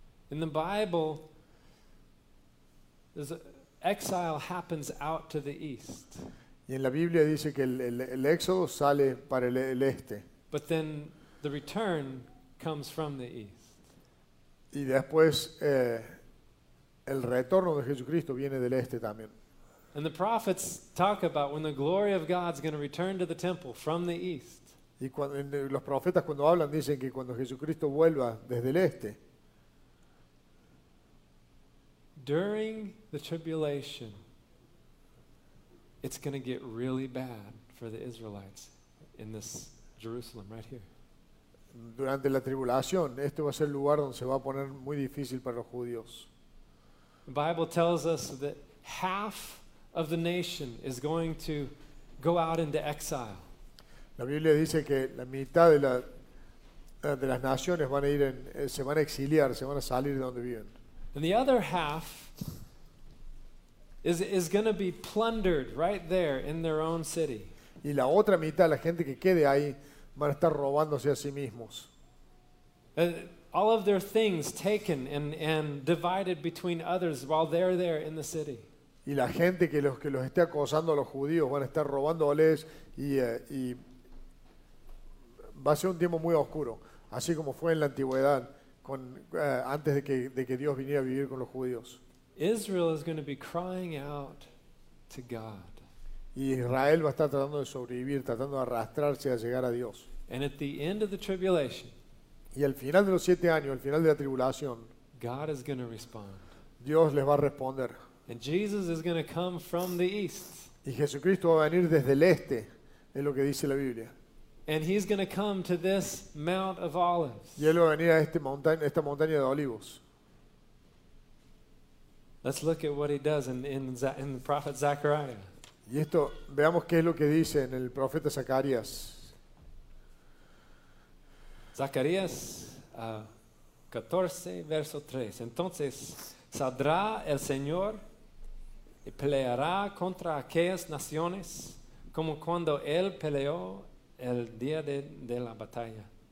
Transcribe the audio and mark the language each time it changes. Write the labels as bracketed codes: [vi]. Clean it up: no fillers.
[en] In the Bible, exile happens out to the east. [es] Y en la Biblia dice que el éxodo sale para el este. [en] But then the return comes from the east. [es] Y después el retorno de Jesucristo viene del este también. [en] And the prophets talk about when the glory of God's going to return to the temple from the east. [es] Y los profetas cuando hablan dicen que cuando Jesucristo vuelva desde el este. [en] During the tribulation, it's going to get really bad for the Israelites in this Jerusalem right here. [es] Durante la tribulación, este va a ser el lugar donde se va a poner muy difícil para los judíos. [en] The Bible tells us that half of the nation is going to go out into exile. [es] La Biblia dice que la mitad de las naciones van a ir se van a exiliar, se van a salir de donde viven. [en] And the other half is going to be plundered right there in their own city. [es] Y la otra mitad, la gente que quede ahí, van a estar robándose a sí mismos. [en] All of their things taken and divided between others while they're there in the city. [es] Y la gente que los esté acosando a los judíos van a estar robándoles y va a ser un tiempo muy oscuro, así como fue en la antigüedad antes de que Dios viniera a vivir con los judíos. [en] Israel is going to be crying out to God. [es] Y Israel va a estar tratando de sobrevivir, tratando de arrastrarse a llegar a Dios. [en] And at the end of the tribulation, [es] y al final de los 7 años, al final de la tribulación, [en] God is going to respond. [es] Dios les va a responder. [en] And Jesus is going to come from the east. [es] Y Jesucristo va a venir desde el este, es lo que dice la Biblia. [en] And he's going to come to this Mount of Olives. [es] Y él va a venir a esta montaña de olivos. [en] Let's look at what he does in the prophet Zechariah. [es] Y esto, veamos qué es lo que dice en el profeta Zacarías. Zacarías 14, verso 3. Entonces saldrá el Señor y peleará contra aquellas naciones como cuando él peleó el día de la batalla.